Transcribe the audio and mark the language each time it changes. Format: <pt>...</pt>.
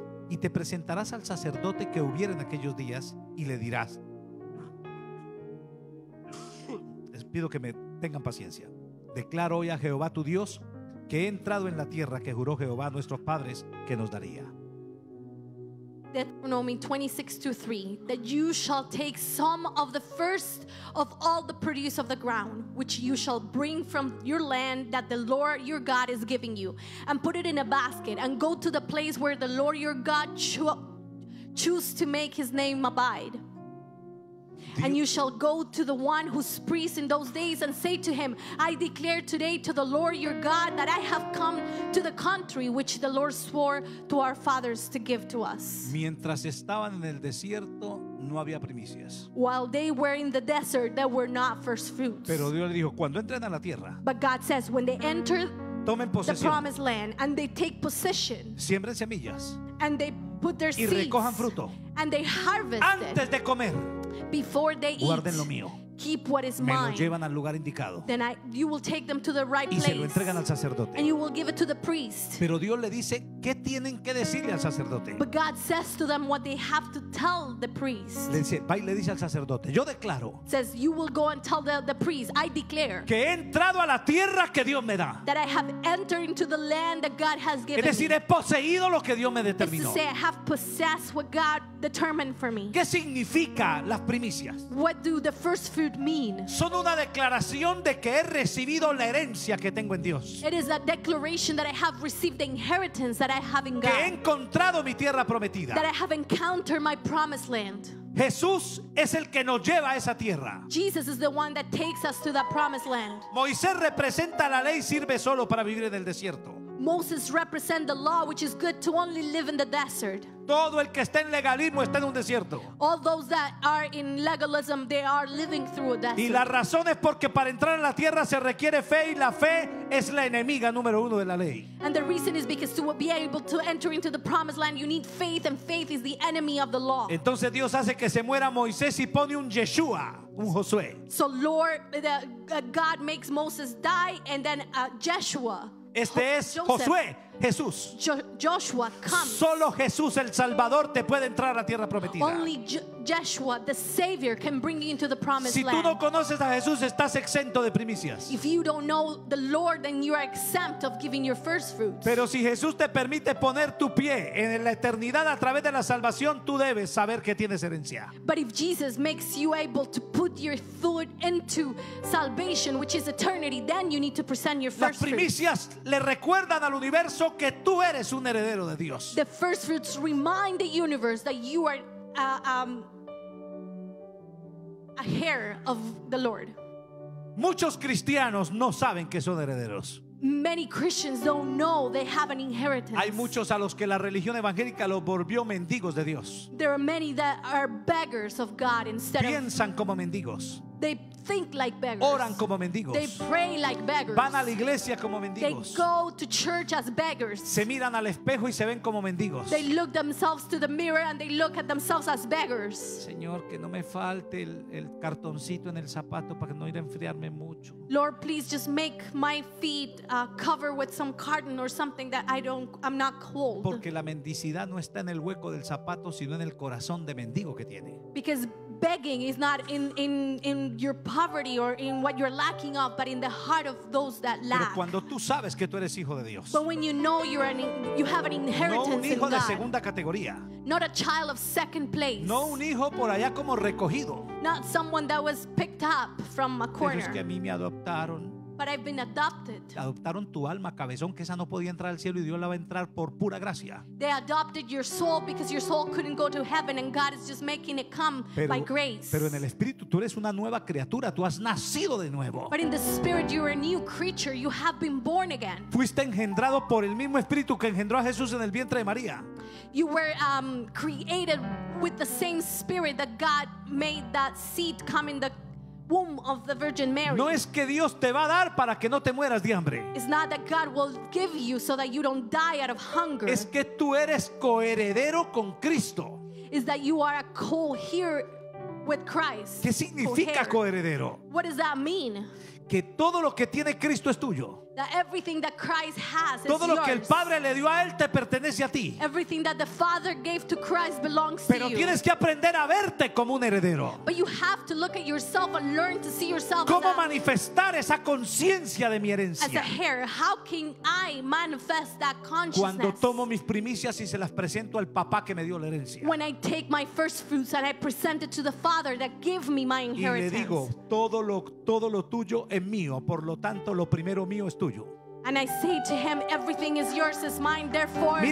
<es>Y te presentarás al sacerdote que hubiere en aquellos días y le dirás. Les pido que me tengan paciencia. Declaro hoy a Jehová tu Dios que he entrado en la tierra que juró Jehová a nuestros padres que nos daría.</es> <en>Deuteronomy 26:2-3, that you shall take some of the first of all the produce of the ground, which you shall bring from your land that the Lord your God is giving you, and put it in a basket, and go to the place where the Lord your God choose to make his name abide. And you shall go to the one whose priest in those days and say to him, I declare today to the Lord your God that I have come to the country which the Lord swore to our fathers to give to us.</en> <es>Mientras estaban en el desierto, no había primicias.</es> <en>While they were in the desert, there were not first fruits.</en> <es>Pero Dios le dijo, cuando entren a la tierra.</es> <en>But God says, when they enter</en> <es>tomen posesión,</es> <en>the promised land and they take possession,</en> <es>siembren semillas,</es> <en>and they put their</en> <es>y recojan</es> <en>seeds,</en> <es>fruto,</es> <en>and they harvest</en> <es>antes de comer.</es> <en>Before they</en> <es>guarden</es> <en>eat,</en> <es>lo mío.</es> <en>Keep what is mine.</en> <es>Me lo llevan al lugar indicado.</es> <en>Then you will take them to the right place.</en> <es>Y se lo entregan al sacerdote.</es> <en>And you will give it to the priest.</en> <es>Pero Dios le dice qué tienen que decirle al sacerdote.</es> <en>But God says to them what they have to tell the priest.</en> <es>Le dice al sacerdote, yo declaro.</es> <en>Says you will go and tell the priest, I declare.</en> <es>Que he entrado a la tierra que Dios me da.</es> <en>That I have entered into the land that God has given me.</en> <es>Es decir, he poseído lo que Dios me determinó.</es> <en>It's to say I have possessed what God determined for me.</en> <es>¿Qué significa las primicias?</es> <en>What do the first fruit mean?</en> <es>Son una declaración de que he recibido la herencia que tengo en Dios.</es> <en>It is a declaration that I have received the inheritance that I have in God.</en> <es>Que he encontrado mi tierra prometida.</es> <en>That I have encountered my promised land.</en> <es>Jesús es el que nos lleva a esa tierra.</es> <en>Jesus is the one that takes us to that promised land.</en> <es>Moisés representa la ley, sirve solo para vivir en el desierto.</es> <en>Moses represent the law, which is good to only live in the desert.</en> <es>Todo el que está en legalismo está en un desierto.</es> <en>All those that are in legalism, they are living through a desert.</en> <es>Y la razón es porque para entrar a la tierra se requiere fe, y la fe es la enemiga número uno de la ley.</es> <en>And the reason is because to be able to enter into the promised land, you need faith, and faith is the enemy of the law.</en> <es>Entonces Dios hace que se muera Moisés y pone un Yeshua, un Josué.</es> <en>So Lord, the, God makes Moses die, and then Yeshua.</en> <es>Este es Joseph. Josué. Jesús.</es> <en>Joshua, come.</en> <es>Solo Jesús, el Salvador, te puede entrar a la tierra prometida.</es> <en>Only Yeshua, the Savior, can bring you into the promised</en> <es>si</es> <en>land.</en> <es>Si tú no conoces a Jesús, estás exento de primicias.</es> <en>If you don't know the Lord, then you are exempt of giving your first fruits.</en> <es>Pero si Jesús te permite poner tu pie en la eternidad a través de la salvación, tú debes saber que tienes herencia.</es> <en>But if Jesus makes you able to put your foot into salvation, which is eternity, then you need to present your first fruits.</en> <es>Las primicias le recuerdan al universo que tú eres un heredero de Dios.</es> <en>The first fruits remind the universe that you are a heir of the Lord.</en> <es>Muchos cristianos no saben que son herederos.</es> <en>Many Christians don't know they have an inheritance.</en> <es>Hay muchos a los que la religión evangélica los volvió mendigos de Dios.</es> <en>There are many that are beggars of God instead.</en> <es>Piensan como mendigos.</es> <en>They think like beggars.</en> <es>Oran como mendigos.</es> <en>They pray like beggars.</en> <es>Van a la iglesia como mendigos.</es> <en>They go to church as beggars.</en> <es>Se miran al espejo y se ven como mendigos.</es> <en>They look themselves to the mirror and they look at themselves as beggars.</en> <es>Señor, que no me falte el cartoncito en el zapato para no ir a enfriarme mucho.</es> <en>Lord, please just make my feet cover with some carton or something that I'm not cold.</en> <es>Porque la mendicidad no está en el hueco del zapato, sino en el corazón de mendigo que tiene.</es> <en>Because begging is not in your poverty or in what you're lacking of, but in the heart of those that lack.</en> <es>Pero cuando tú sabes que tú eres hijo de Dios.</es> <en>But when you know you have an inheritance.</en> <es>No un hijo</es> <en>in</en> <es>de</es> <en>God.</en> <es>Segunda categoría.</es> <en>Not a child of second place.</en> <es>No un hijo por allá como recogido.</es> <en>Not someone that was picked up from a corner.</en> <es>Pero es que a mí me adoptaron.</es> <en>But I've been adopted.</en> <es>Adoptaron tu alma, cabezón, que esa no podía entrar al cielo y Dios la va a entrar por pura gracia.</es> <en>They adopted your soul because your soul couldn't go to heaven and God is just making it come by grace.</en> <es>Pero en el espíritu tú eres una nueva criatura, tú has nacido de nuevo.</es> <en>But in the spirit you are a new creature, you have been born again.</en> <es>Fuiste engendrado por el mismo espíritu que engendró a Jesús en el vientre de María.</es> <en>You were created with the same spirit that God made that seed come in the womb of the Virgin Mary.</en> <es>No es que Dios te va a dar para que no te mueras de hambre.</es> <en>It's not that God will give you so that you don't die out of hunger.</en> <es>Es que tú eres coheredero con Cristo.</es> <en>Is that you are a co-heir with Christ.</en> <es>¿Qué significa coheredero?</es> <en>What does that mean?</en> <es>Que todo lo que tiene Cristo es tuyo.</es> <en>That everything that Christ has is yours.</en> <es>Todo lo que el Padre le dio a él te pertenece a ti.</es> <en>Everything that the Father gave to Christ belongs</en> <es>Pero</es> <en>to you.</en> <es>Pero tienes que aprender a verte como un heredero.</es> <en>But you have to look at yourself and learn to see yourself.</en> <es>¿Cómo manifestar esa conciencia de mi herencia?</es> <en>As a heir, how can I manifest that consciousness?</en> <es>Cuando tomo mis primicias y se las presento al papá que me dio la herencia.</es> <en>When I take my first fruits and I present it to the Father that gave me my inheritance.</en> <es>Y le digo, todo lo tuyo es mío, por lo tanto lo primero mío es tuyo.</es> <en>And I say to him, everything is yours, is mine, therefore.</en>